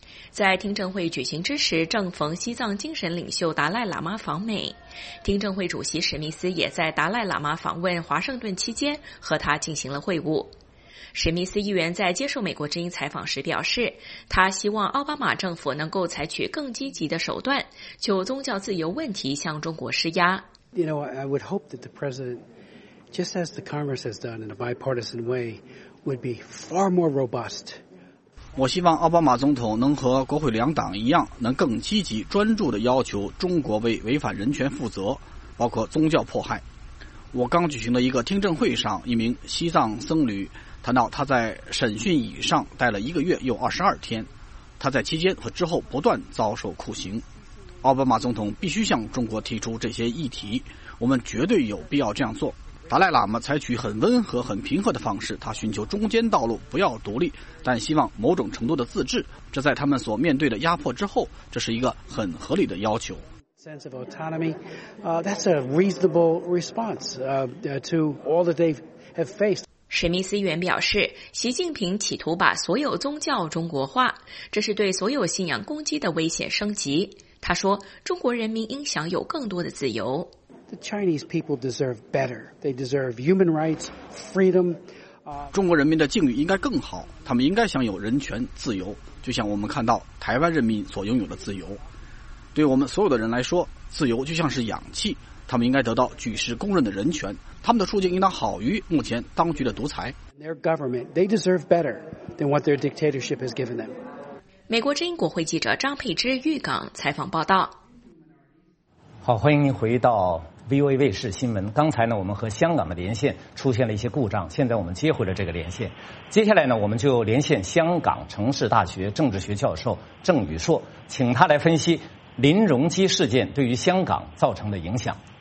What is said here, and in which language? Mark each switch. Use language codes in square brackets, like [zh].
[zh] 在听证会举行之时，正逢西藏精神领袖达赖喇嘛访美，听证会主席史密斯也在达赖喇嘛访问华盛顿期间和他进行了会晤。史密斯议员在接受美国之音采访时表示，他希望奥巴马政府能够采取更积极的手段，就宗教自由问题向中国施压。 [en] You know, I would hope that the president, just as the Congress has done in a bipartisan way, would be far more robust. [zh] 我希望奥巴马总统能和国会两党一样，能更积极、专注地要求中国为违反人权负责，包括宗教迫害。我刚举行的一个听证会上，一名西藏僧侣谈到他在审讯椅上待了一个月又22天，他在期间和之后不断遭受酷刑。奥巴马总统必须向中国提出这些议题，我们绝对有必要这样做。达赖喇嘛采取很温和很平和的方式，他寻求中间道路，不要独立，但希望某种程度的自治，这在他们所面对的压迫之后，这是一个很合理的要求。 [en] Sense of autonomy, that's a reasonable response to all that they have faced. [zh] 史密斯议员表示，习近平企图把所有宗教中国化，这是对所有信仰攻击的危险升级。他说，中国人民应享有更多的自由。 [en] The Chinese people deserve better. They deserve human rights, freedom. [zh] 中国人民的境遇应该更好，他们应该享有人权、自由，就像我们看到台湾人民所拥有的自由。对我们所有的人来说，自由就像是氧气，他们应该得到举世公认的人权，他们的处境应当好于目前当局的独裁。 [en] Their government, they deserve better than what their dictatorship has given them. [zh] 美国之音国会记者张佩芝预港采访报道。好，欢迎您回到 VOA 卫视新闻。刚才呢，我们和香港的连线出现了一些故障，现在我们接回了这个连线。接下来呢，我们就连线香港城市大学政治学教授郑宇硕，请他来分析林荣基事件对于香港造成的影响。